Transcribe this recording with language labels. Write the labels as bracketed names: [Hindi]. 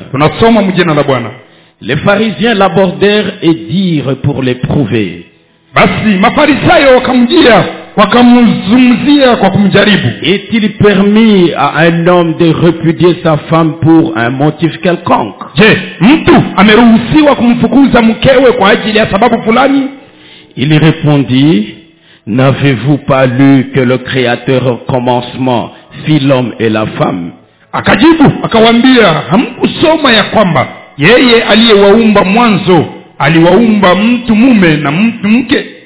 [Swahili] Tunasoma mjina la Bwana. [French] Les pharisiens l'abordèrent et dirent pour l'éprouver. [Swahili] Basi mafarisayo wakamjia wakamzumzia kwa kumjaribu. [French] Est-il permis à un homme de repudier sa femme pour un motif quelconque? [Swahili] Je, mtu ameruhusiwa kumfukuza mkewe kwa ajili ya sababu fulani? [French] Il répondit, n'avez-vous pas lu que le créateur au commencement fit l'homme et la femme? [Swahili] Akajibu akawaambia, hamkusoma ya kwamba yeye aliyewaumba mwanzo aliwaumba mtu mume na mtu mke?